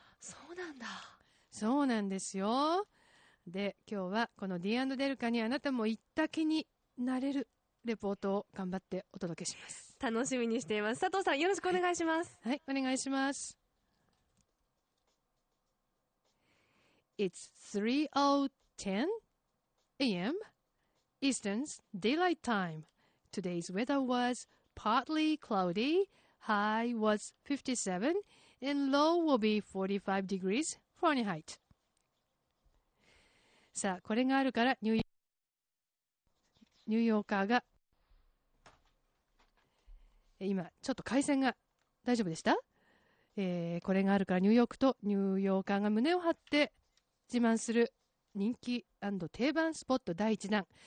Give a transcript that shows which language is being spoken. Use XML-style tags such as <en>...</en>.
<ja>そうなんだ。そうなんですよ。で、今日はこのディーン&デルーカにあなたも行った気になれるレポートを頑張ってお届けします。楽しみにしています。佐藤さん、よろしくお願いします。はい、はい、お願いします。</ja> <en>It's 3:10 AM Eastern Daylight Time. Today's weather was partly cloudy. High was 57 and low will be 45 degrees Fahrenheit.</en> <ja>さあ、これがあるからニューヨーカーが、今ちょっと回線が大丈夫でした、これがあるからニューヨークと、ニューヨーカーが胸を張って自慢する人気&定番スポット第1弾。</ja>